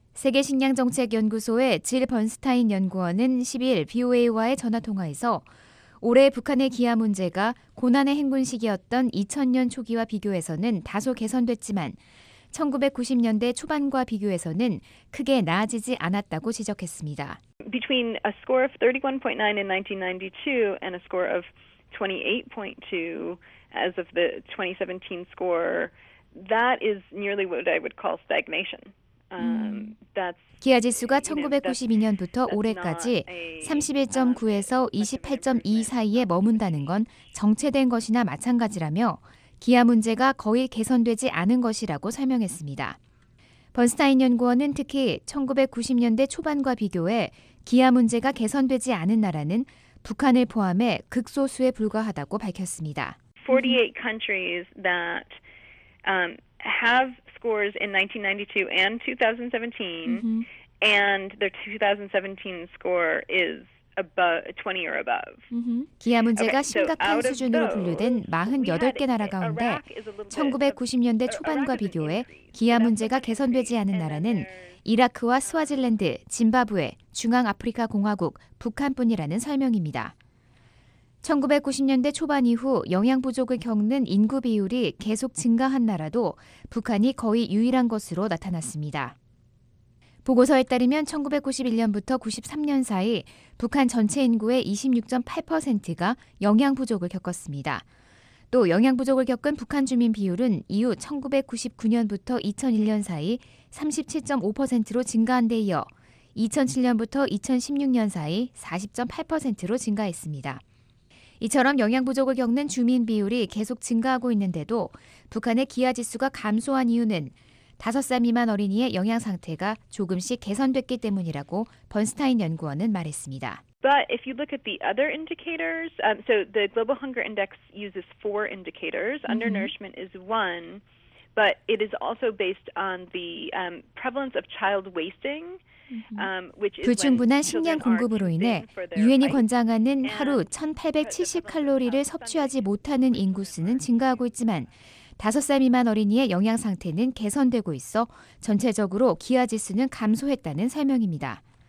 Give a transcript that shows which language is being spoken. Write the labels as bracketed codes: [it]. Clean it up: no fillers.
[ko] 세계식량정책연구소의 질 번스타인 연구원은 12일 BOA와의 전화통화에서 올해 북한의 기아 문제가 고난의 행군 시기였던 2000년 초기와 비교해서는 다소 개선됐지만 1990년대 초반과 비교해서는 크게 나아지지 않았다고 지적했습니다. [en] Between a score of 31.9 in 1992 and a score of 28.2 as of the 2017 score, that is nearly what I would call stagnation. [ko] 기아 지수가 1992년부터 올해까지 31.9에서 28.2 사이에 머문다는 건 정체된 것이나 마찬가지라며 기아 문제가 거의 개선되지 않은 것이라고 설명했습니다. 번스타인 연구원은 특히 1990년대 초반과 비교해 기아 문제가 개선되지 않은 나라는 북한을 포함해 극소수에 불과하다고 밝혔습니다. [en] 48 countries that have scores in 1992 and 2017 and their 2017 score is above 20 or above. [ko] 기아 문제가 심각한 수준으로 분류된 48개 나라 가운데 1990년대 초반과 비교해 기아 문제가 개선되지 않은 나라는 이라크와 스와질랜드, 짐바브웨, 중앙아프리카 공화국, 북한뿐이라는 설명입니다. 1990년대 초반 이후 영양 부족을 겪는 인구 비율이 계속 증가한 나라도 북한이 거의 유일한 것으로 나타났습니다. 보고서에 따르면 1991년부터 93년 사이 북한 전체 인구의 26.8%가 영양 부족을 겪었습니다. 또 영양 부족을 겪은 북한 주민 비율은 이후 1999년부터 2001년 사이 37.5%로 증가한 데 이어 2007년부터 2016년 사이 40.8%로 증가했습니다. 이처럼 영양 부족을 겪는 주민 비율이 계속 증가하고 있는데도 북한의 기아 지수가 감소한 이유는 5살 미만 어린이의 영양 상태가 조금씩 개선됐기 때문이라고 번스타인 연구원은 말했습니다. [en] But if you look at the other indicators, so the Global Hunger Index uses four indicators. Undernourishment is one. but it is also based on the prevalence of child wasting. [ko] 불충분한 식량 공급으로 인해 유엔이 권장하는 하루 1,870칼로리를 섭취하지 못하는 인구수는 증가하고 있지만 5살 미만 어린이의 영양 상태는 개선되고 있어 전체적으로 기아지수는 감소했다는 설명입니다.